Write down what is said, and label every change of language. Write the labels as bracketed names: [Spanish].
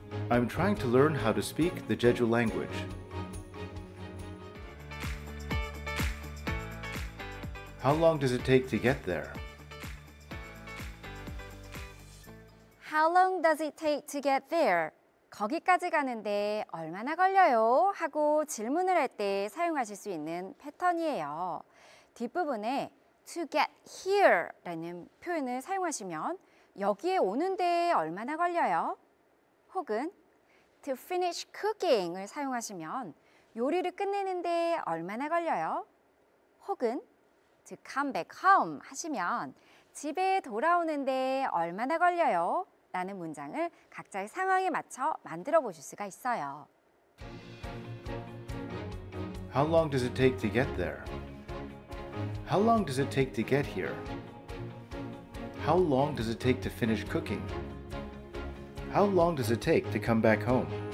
[English] I'm trying to learn how to speak the Jeju language. How long does it take to get there? How long does it take to get there? [Korean] 거기까지 가는데 얼마나 걸려요? 하고 질문을 할 때 사용하실 수 있는 패턴이에요. 뒷부분에 [English] to get here [Korean] 라는 표현을 사용하시면 여기에 오는데 얼마나 걸려요? 혹은 [English] to finish cooking [Korean] 을 사용하시면 요리를 끝내는데 얼마나 걸려요? 혹은 [English] to come back home [Korean] 하시면 집에 돌아오는데 얼마나 걸려요? 라는 문장을 각자의 상황에 맞춰 만들어 보실 수가 있어요. [English] How long does it take to get there? How long does it take to get here? How long does it take to finish cooking? How long does it take to come back home?